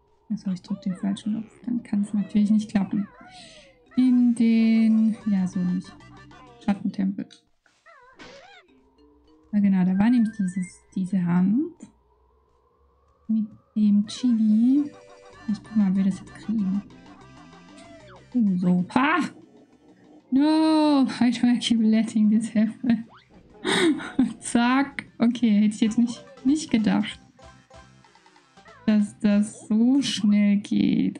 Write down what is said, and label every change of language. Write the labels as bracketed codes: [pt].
[de] Achso, ich drücke den falschen Knopf. Dann kann es natürlich nicht klappen. In den. Ja, so nicht. Schattentempel. Ja, genau, da war nämlich diese Hand mit dem Chili. Ich guck mal, ob wir das jetzt kriegen. [en] So. Ha! No! I don't keep letting this happen. [de] Zack. Okay, hätte ich jetzt nicht gedacht, dass das so schnell geht.